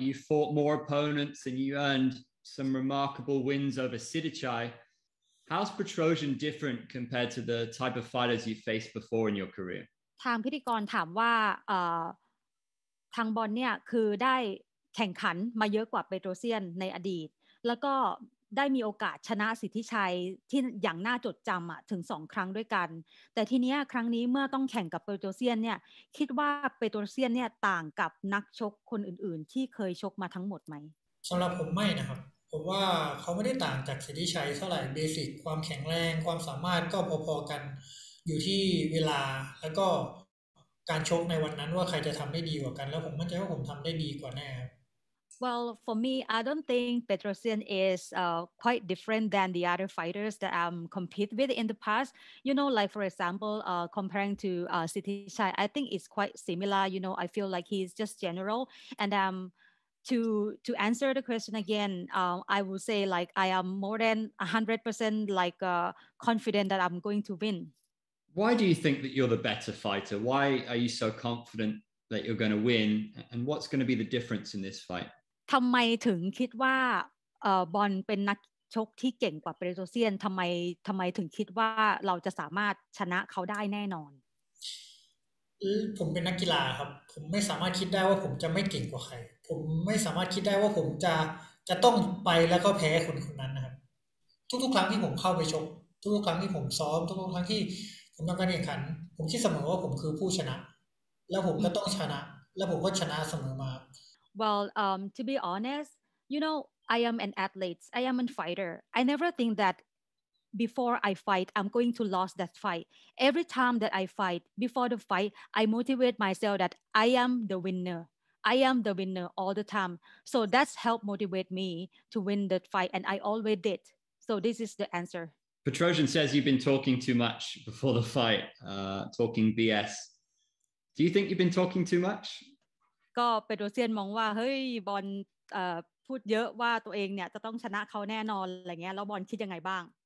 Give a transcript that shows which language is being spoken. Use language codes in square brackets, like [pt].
[en] You fought more opponents and you earned some remarkable wins over Sidichai. How's Pretrosian different compared to the type of fighters you faced before in your career? [th] ทางพิธีกรถามว่าทางบอลเนี่ยคือได้แข่งขันมาเยอะกว่าเปโตรเซียนในอดีตแล้วก็ได้มีโอกาสชนะสิทธิชัยที่อย่างน่าจดจำถึง2ครั้งด้วยกันแต่ทีเนี้ยครั้งนี้เมื่อต้องแข่งกับเปโตรเซียนเนี่ยคิดว่าเปโตรเซียนเนี่ยต่างกับนักชกคนอื่นๆที่เคยชกมาทั้งหมดไหม สำหรับผมไม่นะครับผมว่าเขาไม่ได้ต่างจากสิทธิชัยเท่าไหร่เบสิกความแข็งแรงความสามารถก็พอๆกันอยู่ที่เวลาแล้วก็การชกในวันนั้นว่าใครจะทำได้ดีกว่ากันแล้วผมมั่นใจว่าผมทำได้ดีกว่าแน่ [en] Well for me I don't think Pretrosian is quite different than the other fighters that I'm compete with in the past you know like for example comparing to Sithichai I think it's quite similar you know I feel like he's just general andTo answer the question again, I will say like I am more than 100% like confident that I'm going to win. Why do you think that you're the better fighter? Why are you so confident that you're going to win? And what's going to be the difference in this fight? [th] ทำไมถึงคิดว่าบอลเป็นนักชกที่เก่งกว่าเปโตรเซียนทำไมถึงคิดว่าเราจะสามารถชนะเขาได้แน่นอน ผมเป็นนักกีฬาครับผมไม่สามารถคิดได้ว่าผมจะไม่เก่งกว่าใครผมไม่สามารถคิดได้ว่าผมจะต้องไปแล้วก็แพ้คนคนนั้นนะครับทุกๆครั้งที่ผมเข้าไปชกทุกๆครั้งที่ผมซ้อมทุกๆครั้งที่ผมทำการแข่งขันผมคิดเสมอว่าผมคือผู้ชนะแล้วผมก็ต้องชนะแล้วผมก็ชนะเสมอมา [en] Well to be honest you know I am an athlete I am a fighter I never think thatBefore I fight, I'm going to lose that fight. Every time that I fight, before the fight, I motivate myself that I am the winner. I am the winner all the time. So that's helped motivate me to win that fight, and I always did. So this is the answer. Pretrosian says you've been talking too much before the fight, talking BS. Do you think you've been talking too much? [th] ก็เปโตรเซียนมองว่าเฮ้ยบอลพูดเยอะว่าตัวเองเนี่ยจะต้องชนะเขาแน่นอนอะไรเงี้ยแล้วบอลคิดยังไงบ้าง